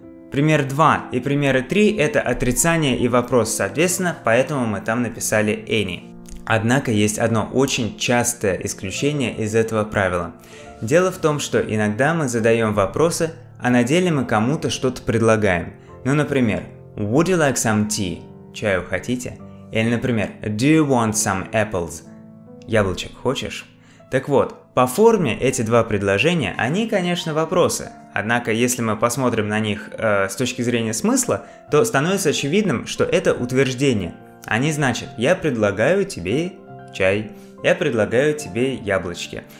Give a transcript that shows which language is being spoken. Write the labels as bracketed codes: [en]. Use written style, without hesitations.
[ru] Пример 2 и примеры 3 – это отрицание и вопрос, соответственно, поэтому мы там написали any. Однако есть одно очень частое исключение из этого правила. Дело в том, что иногда мы задаем вопросы, а на деле мы кому-то что-то предлагаем. Ну, например, [en] would you like some tea? [ru] Чаю хотите? Или, например, [en] do you want some apples? [ru] Яблочек хочешь? Так вот, по форме эти два предложения, они, конечно, вопросы. Однако, если мы посмотрим на них с точки зрения смысла, то становится очевидным, что это утверждение. Они значат, я предлагаю тебе чай, я предлагаю тебе яблочки.